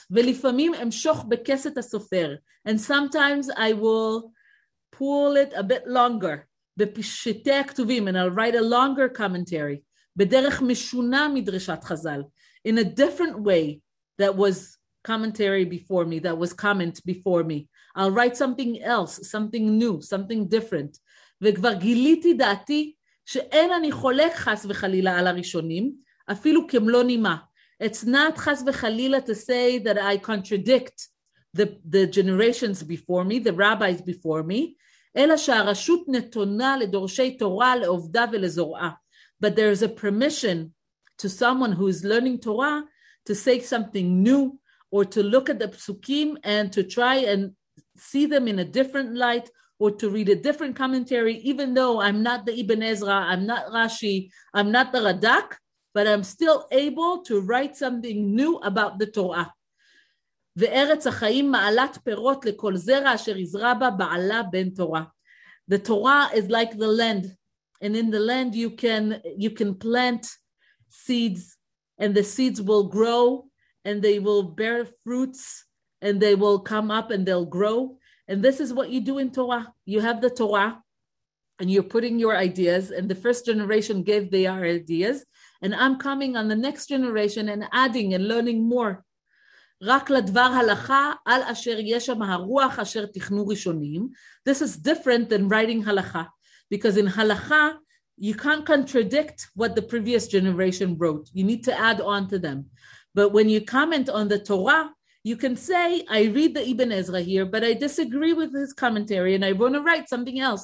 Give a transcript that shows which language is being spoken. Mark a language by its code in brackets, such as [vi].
[he] ולפעמים אמשוך בכסת הסופר. [en] And sometimes I will pull it a bit longer. [he] בפשטי הכתובים, [en] and I'll write a longer commentary, [he] בדרך משונה מדרשת חזל, [en] in a different way that was commentary before me, that was comment before me. I'll write something else, something new, something different. [he] וכבר גיליתי דעתי שאין אני חולק חס וחלילה על הראשונים, אפילו כמלא נימה. [en] It's not חס וחלילה to say that I contradict the generations before me, the rabbis before me, [he] אלא שהרשות נתונה לדורשי תורה, לעובדה ולזורעה. [en] But there is a permission to someone who is learning Torah to say something new, or to look at the psukim and to try and see them in a different light, or to read a different commentary, even though I'm not the Ibn Ezra, I'm not Rashi, I'm not the Radak, but I'm still able to write something new about the Torah. [he] וארץ החיים מעלת פירות לכל זרע אשר יזרע בה בעלה בן תורה. [en] The Torah is like the land, and in the land you can plant seeds, and the seeds will grow, and they will bear fruits, and they will come up and they'll grow. And this is what you do in Torah. You have the Torah, and you're putting your ideas, and the first generation gave their ideas, and I'm coming on the next generation and adding and learning more. [he] רק לדבר הלכה על אשר יש שם הרוח אשר תכנו ראשונים. [en] This is different than writing halakha, because in halakha, you can't contradict what the previous generation wrote. You need to add on to them. But when you comment on the Torah, you can say, I read the Ibn Ezra here, but I disagree with his commentary, and I want to write something else.